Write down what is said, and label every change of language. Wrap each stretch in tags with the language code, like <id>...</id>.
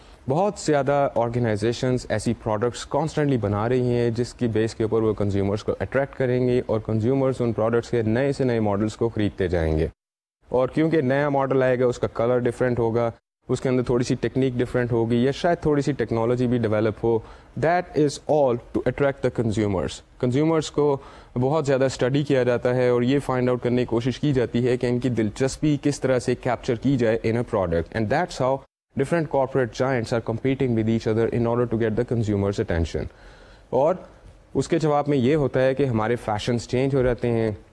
<ur>بہت زیادہ آرگنائزیشنز ایسی پروڈکٹس کانسٹنٹلی بنا رہی ہیں جس کی بیس کے اوپر وہ کنزیومرز کو اٹریکٹ کریں گی, اور کنزیومرز ان پروڈکٹس کے نئے سے نئے ماڈلس کو خریدتے جائیں گے, اور کیونکہ نیا ماڈل آئے گا اس کا کلر ڈفرینٹ ہوگا, اس کے اندر تھوڑی سی ٹیکنیک ڈفرینٹ ہوگی, یا شاید تھوڑی سی ٹیکنالوجی بھی develop ہو.</ur> <en>That is all to attract the consumers.</en> <ur>Consumers کو بہت زیادہ اسٹڈی کیا جاتا ہے اور یہ فائنڈ آؤٹ کرنے کی کوشش کی جاتی ہے کہ ان کی دلچسپی کس طرح سے کیپچر کی جائے ان a product,</ur> <en>And that's how different corporate giants are competing with each other in order to get the consumers attention.</en> <ur>اور اس کے جواب میں یہ ہوتا ہے کہ ہمارے فیشنز چینج ہو جاتے ہیں,</ur>